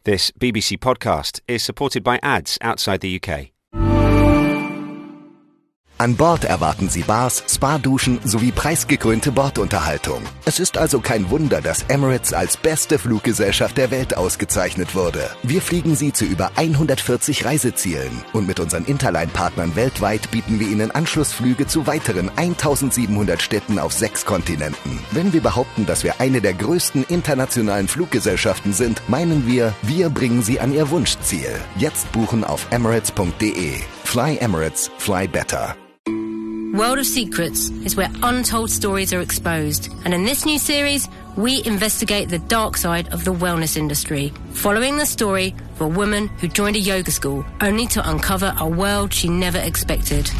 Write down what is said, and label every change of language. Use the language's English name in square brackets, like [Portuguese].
[English] This BBC podcast is supported by ads outside the UK. [German] An Bord erwarten Sie Bars, Spa-Duschen sowie preisgekrönte Bordunterhaltung. Es ist also kein Wunder, dass Emirates als beste Fluggesellschaft der Welt ausgezeichnet wurde. Wir fliegen Sie zu über 140 Reisezielen. Und mit unseren Interline-Partnern weltweit bieten wir Ihnen Anschlussflüge zu weiteren 1700 Städten auf 6 Kontinenten. Wenn wir behaupten, dass wir eine der größten internationalen Fluggesellschaften sind, meinen wir, wir bringen Sie an Ihr Wunschziel. Jetzt buchen auf emirates.de. [English] Fly Emirates, fly better. World of Secrets is where untold stories are exposed. And in this new series, we investigate the dark side of the wellness industry, following the story of a woman who joined a yoga school only to uncover a world she never expected.